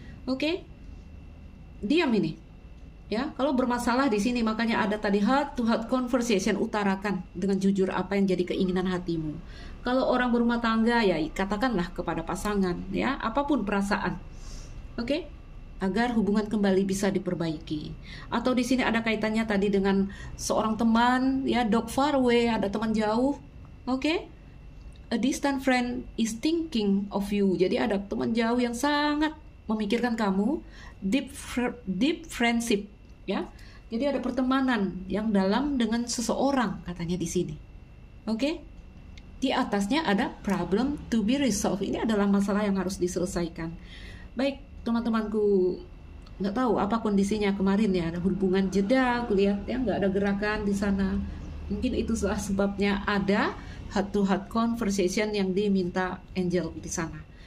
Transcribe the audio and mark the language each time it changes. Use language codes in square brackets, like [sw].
[id] Oke. Diam ini. Ya, kalau bermasalah di sini makanya ada tadi [en] heart to heart conversation, [id] utarakan dengan jujur apa yang jadi keinginan hatimu. Kalau orang berumah tangga ya katakanlah kepada pasangan ya, apapun perasaan. Oke. Agar hubungan kembali bisa diperbaiki. Atau di sini ada kaitannya tadi dengan seorang teman, ya, [en] dog far away, [id] ada teman jauh. Oke. [en] Okay? A distant friend is thinking of you. [id] Jadi ada teman jauh yang sangat memikirkan kamu, [en] deep friendship, [id] ya. Jadi ada pertemanan yang dalam dengan seseorang katanya di sini. Oke. Okay? Di atasnya ada [en] problem to be resolved. [id] Ini adalah masalah yang harus diselesaikan. Baik. Teman-temanku, nggak tahu apa kondisinya kemarin ya, ada hubungan jeda kulihat ya, nggak ada gerakan di sana, mungkin itu salah sebabnya ada [en] heart to heart conversation [id] yang diminta Angel di sana.